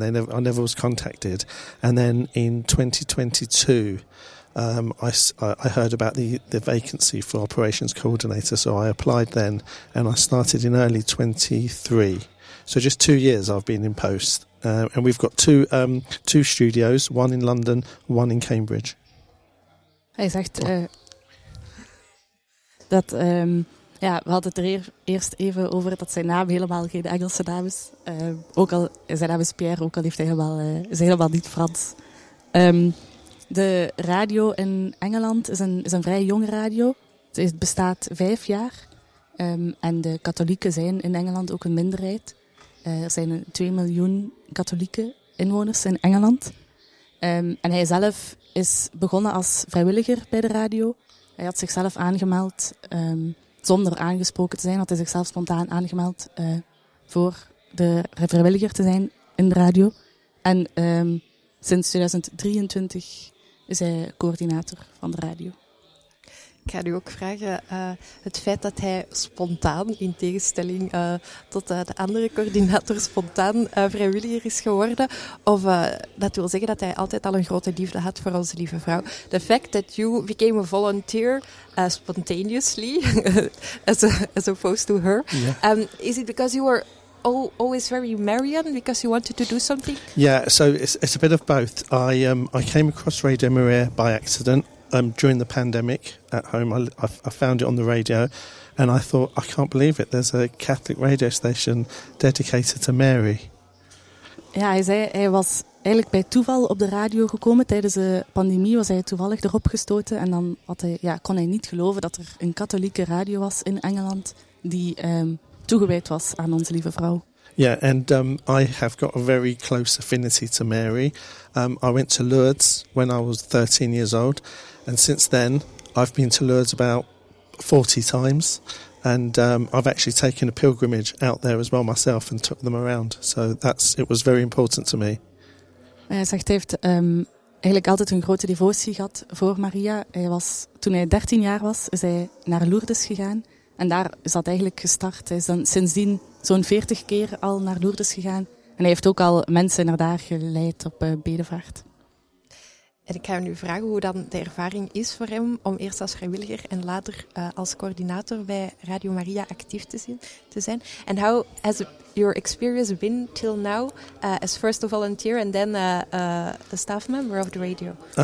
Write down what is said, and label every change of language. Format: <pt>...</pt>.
<en>I never was contacted. And then in 2022, I heard about the vacancy for operations coordinator, so I applied then, and I started in early 23. So just 2 years I've been in post. And we've got two studios, one in London, one in Cambridge. Exactly.</en> <nl>Dat, ja, we hadden het er eerst even over dat zijn naam helemaal geen Engelse naam is. Ook al zijn naam is Pierre, ook al heeft hij helemaal, is hij helemaal niet Frans. De radio in Engeland is een vrij jonge radio. Het bestaat 5 jaar. En de katholieken zijn in Engeland ook een minderheid. Er zijn 2 miljoen katholieke inwoners in Engeland. En hij zelf is begonnen als vrijwilliger bij de radio. Hij had zichzelf aangemeld zonder aangesproken te zijn. Had hij zichzelf spontaan aangemeld voor de vrijwilliger te zijn in de radio. En sinds 2023 is hij coördinator van de radio. Ik ga u ook vragen, het feit dat hij spontaan, in tegenstelling tot de andere coördinator, spontaan vrijwilliger is geworden, of dat wil zeggen dat hij altijd al een grote liefde had voor Onze Lieve Vrouw.</nl> <en>The fact that you became a volunteer spontaneously, as opposed to her, yeah. Is it because you were always very Marian, because you wanted to do something? Yeah, so it's a bit of both. I came across Radio Maria by accident. During the pandemic at home, I found it on the radio and I thought, I can't believe it. There's a Catholic radio station dedicated to Mary.</en> <nl>Ja, hij was eigenlijk bij toeval op de radio gekomen. Tijdens de pandemie was hij toevallig erop gestoten. En dan kon hij niet geloven dat er een katholieke radio was in Engeland die toegewijd was aan Onze Lieve Vrouw.</nl> <en>Yeah, and I have got a very close affinity to Mary. I went to Lourdes when I was 13 years old, and since then I've been to Lourdes about 40 times, and I've actually taken a pilgrimage out there as well myself and took them around. So it was very important to me.</en> <nl>Hij zegt, hij heeft eigenlijk altijd een grote devotie gehad voor Maria. Toen hij 13 jaar was, is hij naar Lourdes gegaan. En daar is dat eigenlijk gestart. Hij is dan sindsdien zo'n 40 keer al naar Lourdes gegaan. En hij heeft ook al mensen naar daar geleid op bedevaart. En ik ga u nu vragen hoe dan de ervaring is voor hem om eerst als vrijwilliger en later als coördinator bij Radio Maria actief te zijn.</nl> <en>En how has your experience been till now as first a volunteer and then a staff member of the radio?</en>